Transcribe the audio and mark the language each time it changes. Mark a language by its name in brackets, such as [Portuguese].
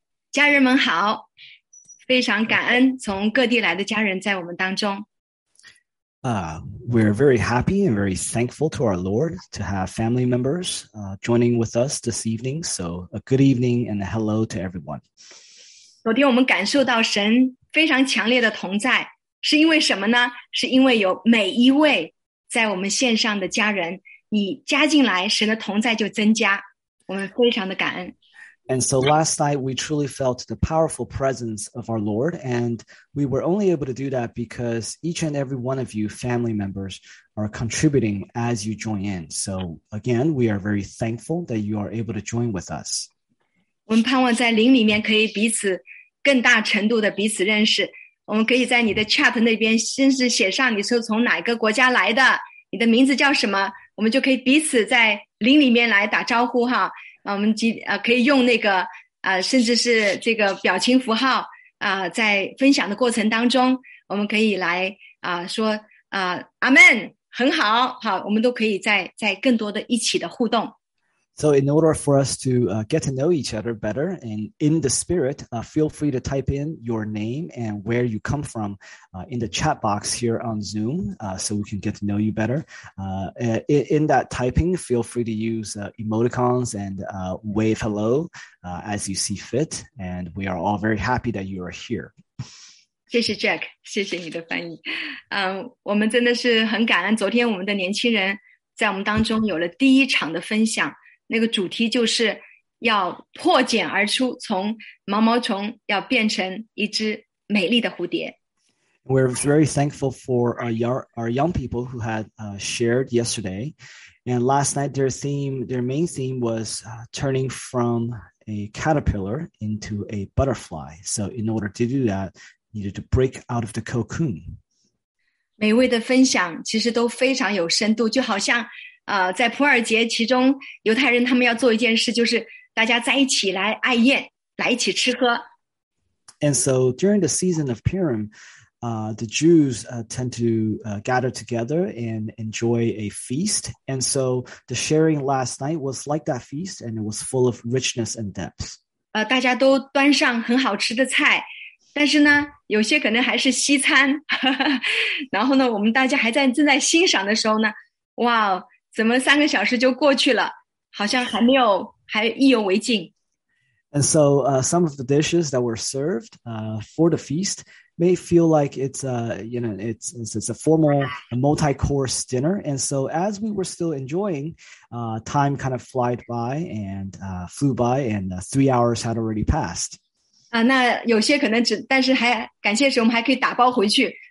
[Chinese] 家人们好，非常感恩从各地来的家人在我们当中。 [English] We're very happy and very thankful to our Lord to have family members joining with us this evening. So, a good evening and a hello to everyone. [Chinese] 昨天我们感受到神非常强烈的同在，是因为什么呢？是因为有每一位在我们线上的家人，你加进来，神的同在就增加，我们非常的感恩。 [English] And so last night, we truly felt the powerful presence of our Lord, and we were only able to do that because each and every one of you family members are contributing as you join in. So again, we are very thankful that you are able to join with us. [Chinese] 我们盼望在灵里面可以彼此更大程度的彼此认识。我们可以在你的 chat 那边先是写上你是从哪一个国家来的，你的名字叫什么，我们就可以彼此在灵里面来打招呼哈。我们可以用那个甚至是这个表情符号在分享的过程当中，我们可以来说阿门，很好，好，我们都可以在更多的一起的互动。 [English] So, in order for us to get to know each other better and in the spirit, feel free to type in your name and where you come from in the chat box here on Zoom so we can get to know you better. In that typing, feel free to use emoticons and wave hello as you see fit. And we are all very happy that you are here. [Chinese] 谢谢 Jack，谢谢你的翻译。我们真的是很感恩，昨天我们的年轻人在我们当中有了第一场的分享，那个主题就是要破茧而出，从毛毛虫要变成一只美丽的蝴蝶。 [English] We're very thankful for our young people who had shared yesterday. And last night, their main theme was turning from a caterpillar into a butterfly. So in order to do that, needed to break out of the cocoon. [Chinese] 每一位的分享其实都非常有深度，就好像在普尔节其中，犹太人他们要做一件事，就是大家在一起来爱宴，来一起吃喝。 [English] And so during the season of Purim, the Jews tend to gather together and enjoy a feast. And so the sharing last night was like that feast, and it was full of richness and depth. [Chinese] 大家都端上很好吃的菜。但是呢，有些可能还是西餐，呵呵，然后呢，我们大家正在欣赏的时候呢，哇，怎么3个小时就过去了？好像还意犹未尽。 [English] And so some of the dishes that were served for the feast may feel like it's a formal multi-course dinner. And so as we were still enjoying, time kind of flied by and flew by, and 3 hours had already passed. [Chinese] 那有些可能只，但是还感谢时，我们还可以打包回去。